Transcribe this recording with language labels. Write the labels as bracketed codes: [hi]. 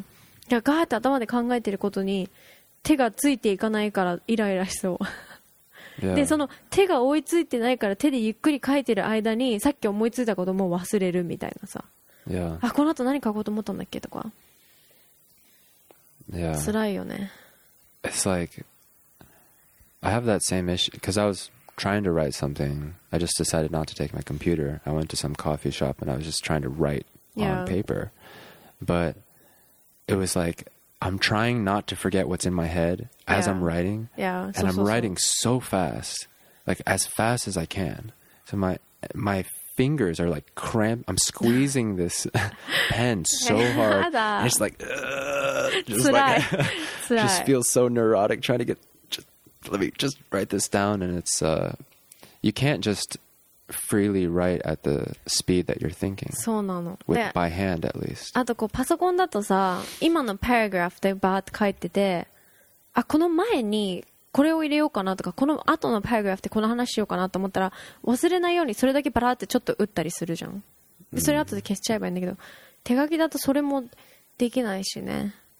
[ja] いや、ガーって頭で考えてることに手がついていかないからイライラしそう。 [en] Yeah. [ja] でその手が追いついてないから手でゆっくり書いてる間にさっき思いついたことも忘れるみたいなさ、 [en] yeah. [ja] あこの後何書こうと思ったんだっけとか、 [en] yeah. [ja] 辛いよね。 [en] It's like I have that same issue because I was trying to write something. I just decided not to take my computer. I went to some coffee shop and I was just trying to write on paper. But it was like I'm trying not to forget what's in my head as I'm writing. Yeah. And I'm writing so fast, like as fast as I can. So my fingers are like cramped. I'm squeezing this pen so hard. And it's like, just feels so neurotic trying to get, let me just write this down. And it's, you can't just freely write at the speed that you're thinking. [ja] そうなの。 [en] By hand at least. [ja] あとこうパソコンだとさ、今のパラグラフでバーって書いてて、あこの前にこれを入れようかなとか、この後のパラグラフでこの話しようかなと思ったら、忘れないようにそれだけバラってちょっと打ったりするじゃん。でそれ後で消しちゃえばいいんだけど、手書きだとそれもできないしね。